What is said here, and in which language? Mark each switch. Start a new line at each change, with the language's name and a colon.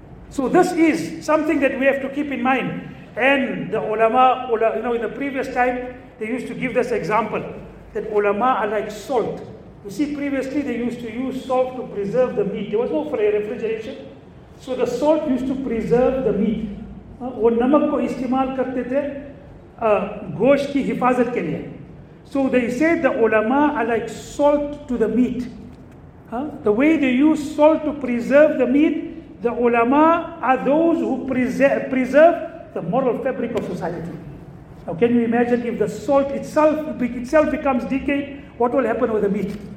English: So this is something that we have to keep in mind. And the ulama, you know, in the previous time, they used to give this example, that ulama are like salt. You see, previously they used to use salt to preserve the meat. There was no refrigeration. So the salt used to preserve the meat.
Urdu: وہ نمک کو استعمال کرتے تھے گوشت کی حفاظت کے لیے.
English: So they said the ulama are like salt to the meat. The way they use salt to preserve the meat, the ulama are those who preserve the moral fabric of society. Now can you imagine if the salt itself becomes decayed, what will happen with the meat?